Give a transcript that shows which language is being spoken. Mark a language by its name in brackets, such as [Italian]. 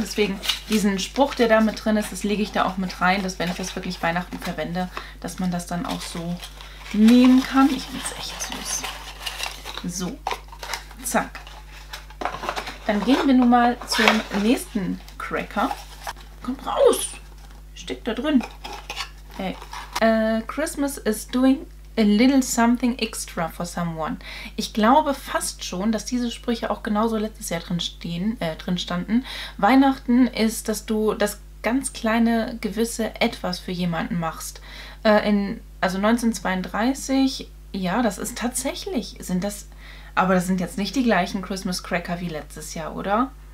[German] Deswegen diesen Spruch, der da mit drin ist, das lege ich da auch mit rein, dass wenn ich das wirklich Weihnachten verwende, dass man das dann auch so nehmen kann. Ich finde es echt süß. So, zack. Dann gehen wir nun mal zum nächsten Cracker. Komm raus! Steck da drin. Hey. [English] Christmas is doing a little something extra for someone. [German] Ich glaube fast schon, dass diese Sprüche auch genauso letztes Jahr drin standen. Weihnachten ist, dass du das ganz kleine gewisse Etwas für jemanden machst. Also 1932, ja, das ist tatsächlich, sind das, aber das sind jetzt nicht die gleichen Christmas Cracker wie letztes Jahr, oder?